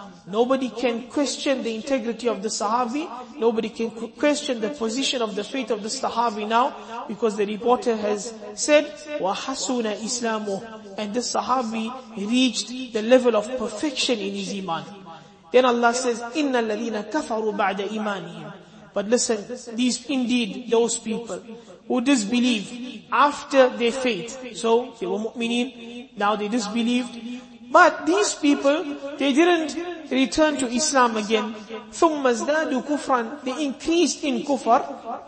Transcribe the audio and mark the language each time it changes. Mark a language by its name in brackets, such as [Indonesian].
[English] Nobody can question the integrity of the Sahabi. Nobody can question the position of the faith of the Sahabi now, because the reporter has said, [Arabic] وَحَسُنَ إِسْلَامُ, [English] and the Sahabi reached the level of perfection in his iman. Then Allah says, [Arabic] إِنَّ الَّذِينَ كَفَرُوا بَعْدَ إِيمَانِهِمْ. [English] But listen, these indeed, those people who disbelieve after their faith. So they were mu'mineen, now they disbelieved. But these people, they didn't return to Islam again. [Arabic] ثُمَّ ازْدَادُوا كُفْرًا, [English] they increased in kufr.